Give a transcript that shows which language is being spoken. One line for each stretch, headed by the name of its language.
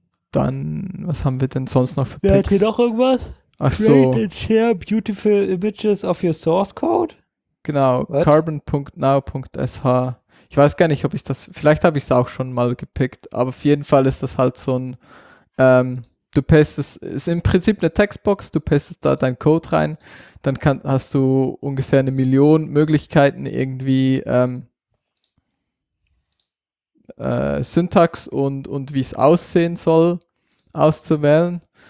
German: Dann, was haben wir denn sonst noch für Picks? Hat hier noch irgendwas? Ach so.
English: Create and share beautiful images of your source code?
German: Genau, carbon.now.sh. Ich weiß gar nicht, ob ich das, vielleicht habe ich es auch schon mal gepickt, aber auf jeden Fall ist das halt so ein, du pastest, ist im Prinzip eine Textbox, du pastest da deinen Code rein, dann hast du ungefähr 1 Million Möglichkeiten irgendwie Syntax und wie es aussehen soll auszuwählen.